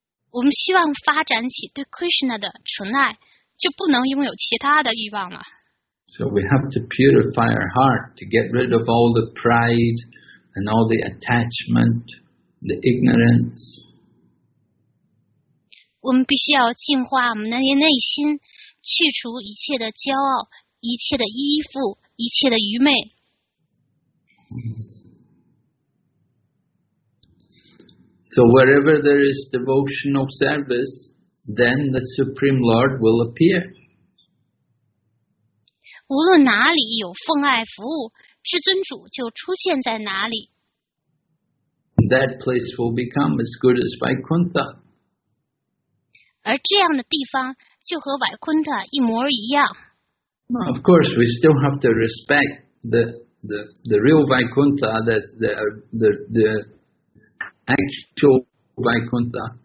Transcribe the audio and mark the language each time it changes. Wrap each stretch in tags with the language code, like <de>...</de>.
<zh>我们希望发展起对 Krishna 的纯爱，就不能拥有其他的欲望了。</zh> <en>So we have to purify our heart to get rid of all the pride and all the attachment, the ignorance.</en> <zh>我们必须要净化我们的内心，去除一切的骄傲，一切的依附，一切的愚昧。</zh> <en>So wherever there is devotional service, then the Supreme Lord will appear.</en> <zh>无论哪里有奉爱服务，至尊主就出现在哪里。</zh> <en>That place will become as good as Vaikuntha.</en> <zh>而这样的地方就和 Vaikuntha 一模一样。</zh> <en>Of course, we still have to respect the real Vaikuntha, that the actual Vaikuntha.</en>